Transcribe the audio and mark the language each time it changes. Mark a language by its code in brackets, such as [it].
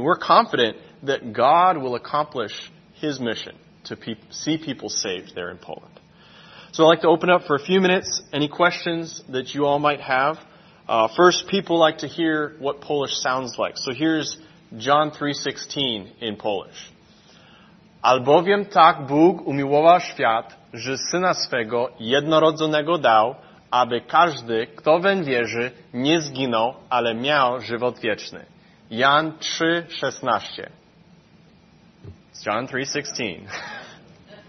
[en] We're confident that God will accomplish his mission to see people saved there in Poland. So I'd like to open up for a few minutes. Any questions that you all might have? First, people like to hear what Polish sounds like. So here's John 3:16 in Polish. [pl] Albowiem tak Bóg umiłował świat, że Syna swego jednorodzonego dał, aby każdy, kto weń wierzy, nie zginął, ale miał żywot wieczny. Jan 3:16. [en] John 3:16. Okay, let's say it together, right? No, I'm just kidding. Any questions?